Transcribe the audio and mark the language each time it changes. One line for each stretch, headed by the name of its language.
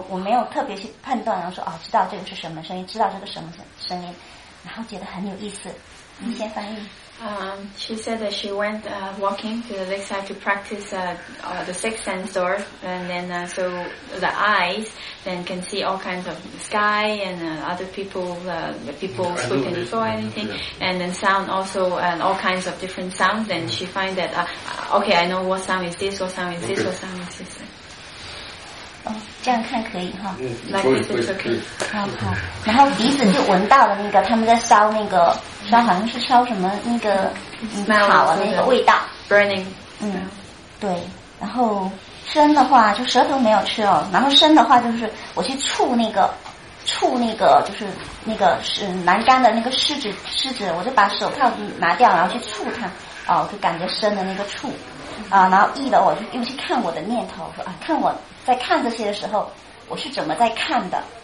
Chinese: 我没有特别去判断，然后说哦，知道这个是什么声音，知道这个什么声音，然后觉得很有意思。你先翻译。
English: She said that she went walking to the lakeside to practice the sixth sensor, and then so the eyes then can see all kinds of sky and other people, the people who can saw anything, and then sound also, and all kinds of different sounds. And she find that okay, I know what sound is this, what sound is this, what sound is this.
Chinese: 哦，这样看可以哈。
English: Like this is okay.
Chinese: 好，然后鼻子就闻到了那个他们在烧那个。烧好像是烧什么那个烤的那个味道
English: ，burning。
Chinese: 对。然后生的话，就舌头没有吃哦。然后生的话，就是我去触那个，就是那个是栏杆的那个湿纸，我就把手套拿掉，然后去触它，哦，就感觉生的那个触，啊，然后意的我就又去看我的念头，说啊，看我在看这些的时候，我是怎么在看的。